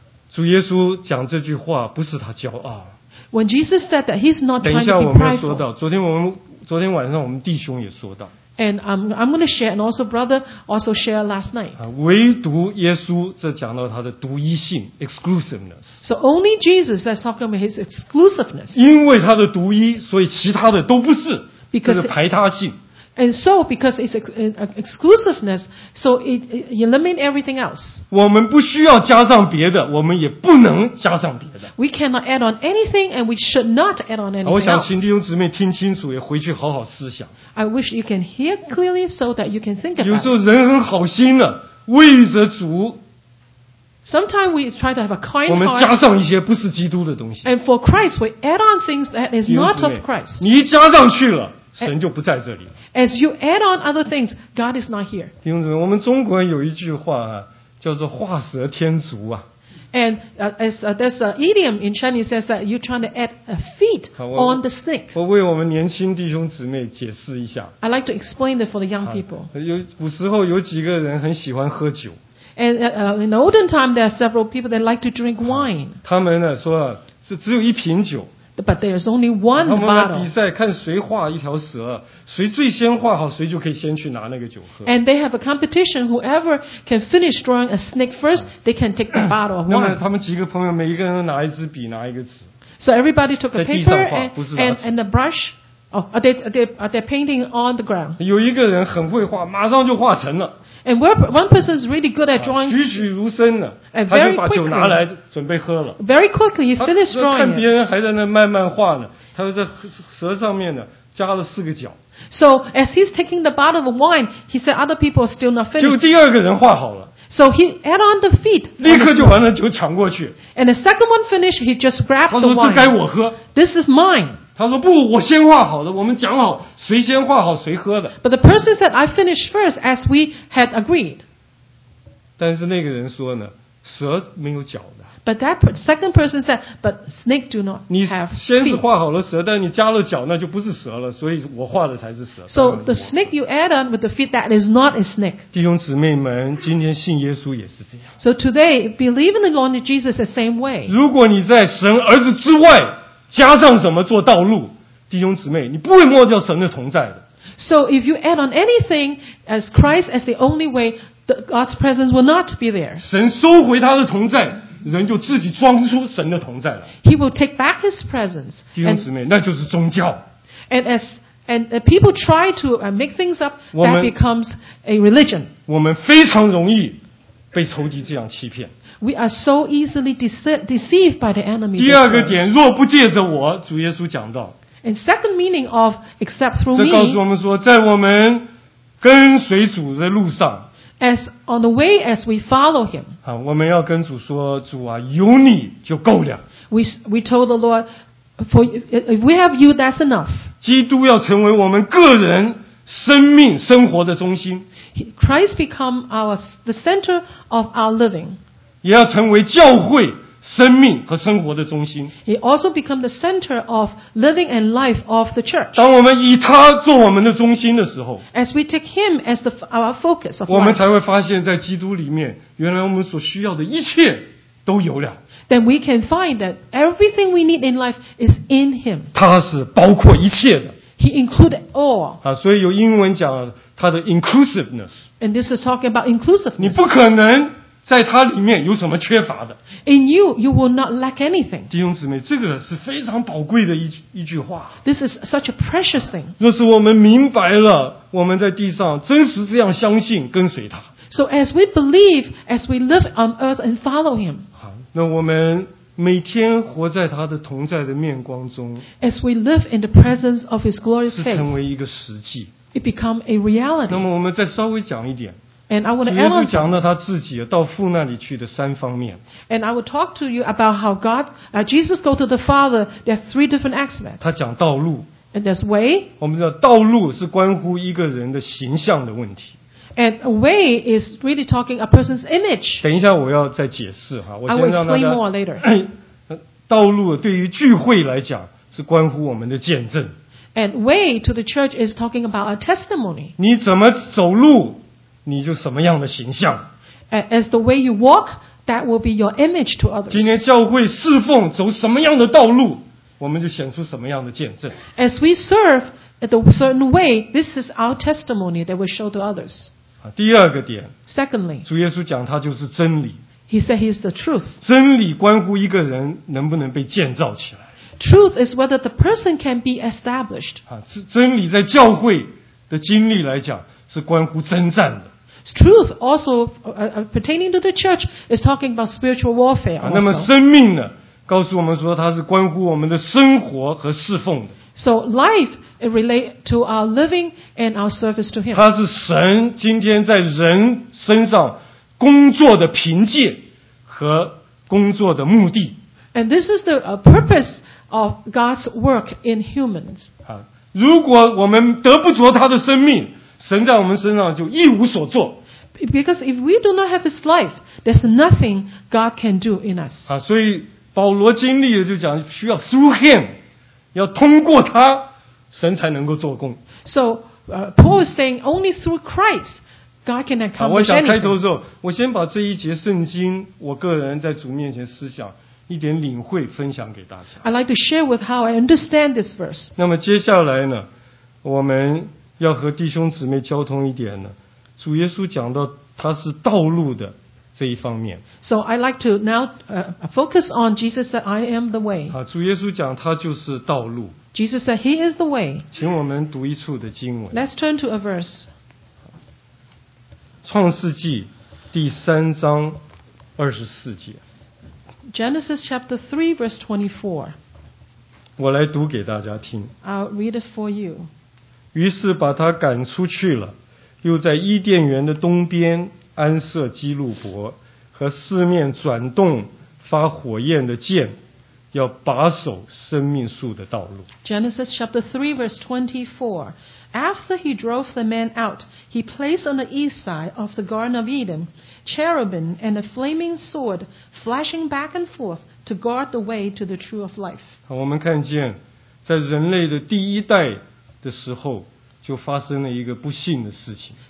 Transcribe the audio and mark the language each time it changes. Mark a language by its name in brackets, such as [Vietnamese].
[Chinese] 主耶稣讲这句话不是他骄傲。 [English] When Jesus said that, he's not trying to be prideful. [Chinese] 等一下，我们说到，昨天晚上我们弟兄也说到。 [English] And I'm going to share, and also brother also shared last night. [Chinese] 唯独耶稣，这讲到他的独一性 exclusiveness. [English] So only Jesus that's talking about his exclusiveness. [Chinese] 因为他的独一，所以其他的都不是， [English] because, [Chinese] 这是排他性。 [English] And so because it's exclusiveness, so it eliminates everything else. [Chinese] 我们不需要加上别的，我们也不能加上别的。 [English] We cannot add on anything, and we should not add on anything. [Chinese] 我想请弟兄姊妹听清楚，也回去好好思想。 [English] I wish you can hear clearly so that you can think about. [Chinese] 有时候人很好心了，为着主。 [English] Sometimes we try to have a kind heart. [Chinese] 我们加上一些不是基督的东西。 [English] And for Christ, we add on things that is not of Christ. [Chinese] 你一加上去了。神就不在这里。 [English] As you add on other things, God is not here. [Chinese] 弟兄姊妹，我们中国有一句话叫做“画蛇添足”啊。 [English] And there's a idiom in Chinese says that you're trying to add a feet on the stick. [Chinese] 我为我们年轻弟兄姊妹解释一下。 [English] I like to explain it for the young people. [Chinese] 古时候有几个人很喜欢喝酒。 [English] And in the olden time, there are several people that like to drink wine. [Chinese] 他们呢说是只有一瓶酒。 [English] But there's only one bottle. [Chinese] 他们来比赛看谁画一条蛇，谁最先画好，谁就可以先去拿那个酒喝。 [English] And they have a competition. Whoever can finish drawing a snake first, they can take the bottle of wine. [Chinese] 那么他们几个朋友每一个人拿一支笔，拿一个纸。 [English] So everybody took a paper and a brush. They're painting on the ground. [Chinese] 有一个人很会画，马上就画成了。 [English] And one person is really good at drawing. [Chinese] 栩栩如生的，他就把酒拿来准备喝了。 [English] Very quickly, he finished drawing. [Chinese] 看别人还在那慢慢画呢，他在蛇上面呢加了四个角。 [English] So as he's taking the bottle of wine, he said other people are still not finished. [Chinese] 就第二个人画好了。 [English] So he add on the feet. [Chinese] 立刻就把那酒抢过去。 [English] And the second one finished, he just grabbed the wine. [Chinese] 他说这该我喝。 [English] This is mine. [Chinese] 他说不，我先画好的，我们讲好，谁先画好谁喝的。 [English] But the person said I finished first as we had agreed. [Chinese] 但是那个人说呢，蛇没有脚的。 [English] But that second person said, but snake do not have feet. [Chinese] 你先是画好了蛇，但你加了脚，那就不是蛇了，所以我画的才是蛇。 [English] So the snake you add on with the feet that is not a snake. [Chinese] 弟兄姊妹们，今天信耶稣也是这样。 [English] So today, believe in the Lord Jesus the same way. [Chinese] 如果你在神儿子之外加上什么做道路，弟兄姊妹，你不会摸着神的同在的。 [English] So if you add on anything as Christ as the only way, God's presence will not be there. [Chinese] 神收回他的同在，人就自己装出神的同在了。 [English] He will take back His presence. [Chinese] 弟兄姊妹，那就是宗教。 [English] And people try to make things up, that becomes a religion. [Chinese] 我们非常容易被仇敌这样欺骗。 [English] We are so easily deceived by the enemy. [Chinese] 第二个点，若不借着我，主耶稣讲到。 [English] And second meaning of except through me. [Chinese] 这告诉我们说，在我们跟随主的路上。 [English] As on the way as we follow him. [Chinese] 好，我们要跟主说，主啊，有你就够了。 [English] We told the Lord, for if we have you, that's enough. [Chinese] 基督要成为我们个人生命生活的中心。 [English] Christ become the center of our living. [Chinese] 也要成为教会生命和生活的中心。 [English] He also become the center of living and life of the church. [Chinese] 当我们以他做我们的中心的时候， [English] as we take him as our focus of life, [Chinese] 我们才会发现在基督里面，原来我们所需要的一切都有了。 [English] Then we can find that everything we need in life is in him. [Chinese] 他是包括一切的。 [English] He included all. [Chinese] 啊，所以有英文讲他的 inclusiveness. [English] And this is talking about inclusiveness. [Chinese] 你不可能在他里面有什么缺乏的。 [English] In you will not lack anything. [Chinese] 弟兄姊妹，这个是非常宝贵的一句话。 [English] This is such a precious thing. [Chinese] 若是我们明白了，我们在地上真实这样相信跟随他。 [English] So as we believe, as we live on earth and follow him. [Chinese] 好，那我们每天活在他的同在的面光中。 [English] As we live in the presence of his glorious face. [Chinese] 是成为一个实际。 [English] It become a reality. [Chinese] 那么我们再稍微讲一点。 [English] And I want to [Chinese] 主耶稣讲到他自己到父那里去的三方面。 [English] And I will talk to you about how God, Jesus go to the Father. There are three different aspects. [Chinese] 他讲道路。 [English] And there's way. [Chinese] 我们知道道路是关乎一个人的形象的问题。 [English] And a way is really talking a person's image. [Chinese] 等一下我要再解释哈，我先让大家。 [English] I will explain more later. [Chinese] 道路对于聚会来讲是关乎我们的见证。 [English] And way to the church is talking about a testimony. [Chinese] 你怎么走路？你就什么样的形象 [English] ？As the way you walk, that will be your image to others. [Chinese] 今天教会侍奉走什么样的道路，我们就显出什么样的见证。 [English] As we serve in a certain way, this is our testimony that we show to others. [Chinese] 第二个点 [English] ，Secondly， [Chinese] 主耶稣讲他就是真理。 [English] He said he is the truth. [Chinese] 真理关乎一个人能不能被建造起来。 [English] Truth is whether the person can be established. [Chinese] 真理在教会的经历来讲。是关乎征战的。 [English] Truth also pertaining to the church is talking about spiritual warfare. [Chinese] 那么生命呢？告诉我们说它是关乎我们的生活和侍奉的。 [English] So life it relate to our living and our service to Him. [Chinese] 它是神今天在人身上工作的凭借和工作的目的。 [English] And this is the purpose of God's work in humans. [Chinese] 如果我们得不着他的生命。神在我们身上就一无所作。 [English] Because if we do not have His life, There's nothing God can do in us. [Chinese] 啊，所以保罗经历的就讲需要 [English] through him， [Chinese] 要通过他，神才能够做工。 [English] So Paul is saying only through Christ God can accomplish anything. [Chinese] 我想开头的时候，我先把这一节圣经，我个人在主面前思想一点领会，分享给大家。 [English] I like to share with how I understand this verse. [Chinese] 那么接下来呢，我们要和弟兄姊妹交通一点呢，主耶稣讲到他是道路的这一方面。 [English] So I like to now focus on Jesus that I am the way. [Chinese] 啊，主耶稣讲他就是道路。 [English] Jesus said He is the way. [Chinese] 请我们读一处的经文。 [English] Let's turn to a verse. [Chinese] 创世纪第三章二十四节。 [English] Genesis chapter 3 verse 24. [Chinese] 我来读给大家听。 [English] I'll read it for you. [Chinese] 于是把他赶出去了。又在伊甸园的东边安设基路伯和四面转动发火焰的剑，要把守生命树的道路。 [English] Genesis chapter 3 verse 24. After he drove the man out, he placed on the east side of the Garden of Eden cherubim and a flaming sword flashing back and forth to guard the way to the tree of life. [Chinese] 我们看见在人类的第一代的时候就发生了一个不幸的事情。